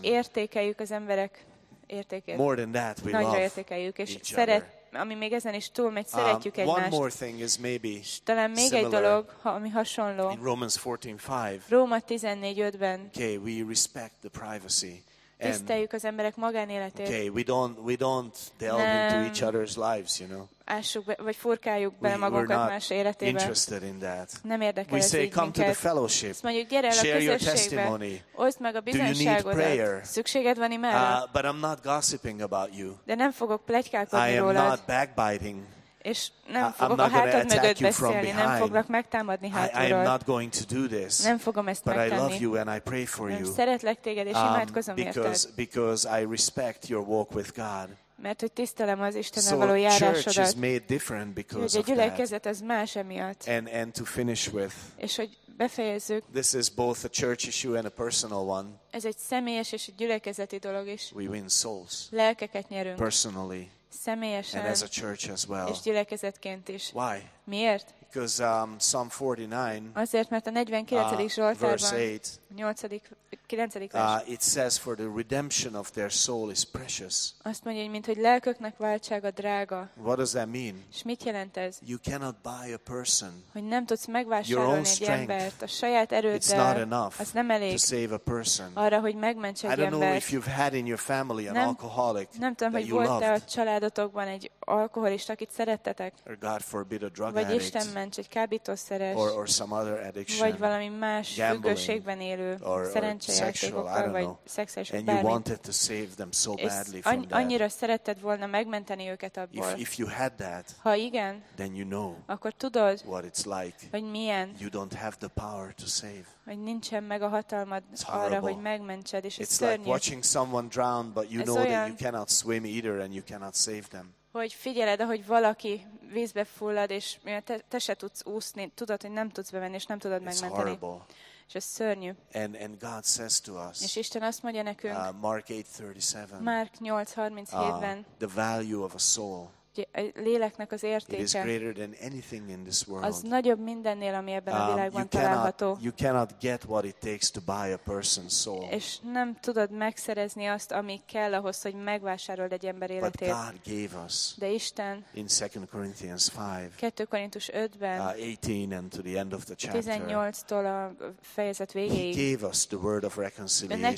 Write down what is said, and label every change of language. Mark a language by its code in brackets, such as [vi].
[hu] Mert értékeljük az emberek értékét. [en] More than that, we [hu] nagyra [en] love [hu] értékeljük, és [en] each [hu] szeret [en] other. [hu] Ami még ezen is túl, mert szeretjük egymást. [en] One more thing is maybe [hu] talán még [en] similar. [hu] Egy dolog, ami hasonló. [en] In Romans 14:5. [hu] Róma 14:5-ben. [en] Okay, we respect the privacy. [hu] Tiszteljük az emberek magánéletét. [en] Okay, we don't delve into each other's lives, you know. [hu] Ássuk be, vagy furkáljuk bele magunkat más életébe. [en] Interested in that. [hu] Nem érdekel [en] we [hu] ez [en] say, [hu] így [en] come [hu] minket. [en] To the fellowship. [hu] Azt mondjuk, gyere el a [en] share [hu] közösségbe. [en] Your testimony. [hu] Oszd meg a bizonyságodat. Szükséged van imára? [en] But I'm not gossiping about you. [hu] De nem fogok pletykálkodni rólad. [en] I am not backbiting. [hu] És nem fogok a hátad mögött beszélni, nem foglak megtámadni hátulról. [en] I am not going to do this, [hu] nem fogom ezt [en] but [hu] megtenni. [en] I love you and I pray for you. [hu] Szeretlek téged, és imádkozom érted. [en] Because I respect your walk with God. [hu] Mert hogy tisztelem az Istennel [en] so [hu] való járásodat. [en] Church is made different because [hu] hogy a gyülekezet az más emiatt. [en] And to finish with, [hu] és hogy befejezzük. [en] This is both a church issue and a personal one. [hu] Ez egy személyes és egy gyülekezeti dolog is. [en] We win souls. [hu] Lelkeket nyerünk. [en] Personally. [hu] Személyesen, [en] and as a church as well. [hu] És gyülekezetként is. [en] Why? [hu] Miért? [en] Because Psalm 49. [hu] Azért, mert a 49. Zsoltárban, [en] verse 8. 9. It says, for the redemption of their soul is precious. [hu] Azt mondja, hogy mint hogy lelköknek váltsága drága. [en] What does that mean? [hu] És mit jelent ez? [en] You cannot buy a person. [hu] Hogy nem tudsz megvásárolni egy embert a saját erőddel. [en] It's not enough. [hu] Az nem elég. [en] To save a person. [hu] Arra, hogy megments egy embert. [en] I don't know if you've had in your family an alcoholic. [hu] Nem tudom, hogy volt-e a családotokban egy alkoholista, akit szerettetek. [en] Or God forbid a drug [hu] vagy [en] addict. [hu] Isten ments, egy kábítószeres. [en] Or some other addiction. [hu] Vagy valami más függőségben élő. [en] And you wanted to save them so badly from that. [hu] Annyira szeretted volna megmenteni őket abból. [en] If you had that, [hu] ha igen, [en] then you know [hu] akkor tudod, [en] what it's like. [hu] Hogy milyen. [en] You don't have the power to save. [hu] Hogy nincsen meg a hatalmad arra, hogy megmentsed, és [en] it's [hu] szörnyű. [en] Like watching someone drown, but you know that you cannot swim either, and you cannot save them. [hu] Hogy figyeled, ahogy valaki vízbe fullad, és te se tudsz úszni, tudod, hogy nem tudsz bevenni, és nem tudod megmenteni. [en] It's horrible. [hu] És ez szörnyű. [en] And God says to us, [hu] és Isten azt mondja nekünk, [en] Mark [hu] 8:37-ben, [en] the value of a soul, [hu] a léleknek az értéke, [en] it is greater than anything in this world. [hu] Az nagyobb mindennél, ami ebben a világban található. [en] You cannot get what it takes to buy a person's soul. [hu] És nem tudod megszerezni azt, ami kell ahhoz, hogy megvásárold egy ember életét. [en] But God gave us, [hu] de Isten, [en] in 2 Corinthians 5, [hu] 2 Korintus 5-ben, [en] 18 and to the end of the chapter, [hu] 18-tól a fejezet végéig, [en] he gave us the word of reconciliation.